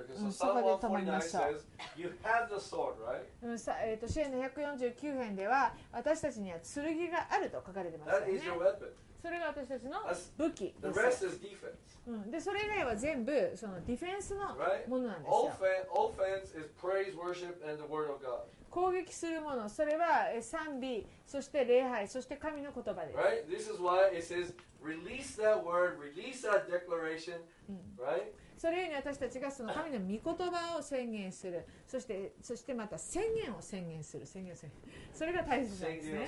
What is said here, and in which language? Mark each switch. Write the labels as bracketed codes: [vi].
[ja] そこで止まりましょう。詩篇の149編では私たちには剣があると書かれてますよね。それが私たちの武器です。でそれ以外は全部そのディフェンスのものなんですよ。 [en] offense is praise, worship, and the word of God. [ja] 攻撃するもの、それは賛美、そして礼拝、そして神の言葉です。 [en] Right? This is why it says release that word, release that declaration. Right? [ja] それゆえに私たちがその神の御言葉を宣言する、そしてまた宣言を宣言する、宣言する、それが大切なんですね。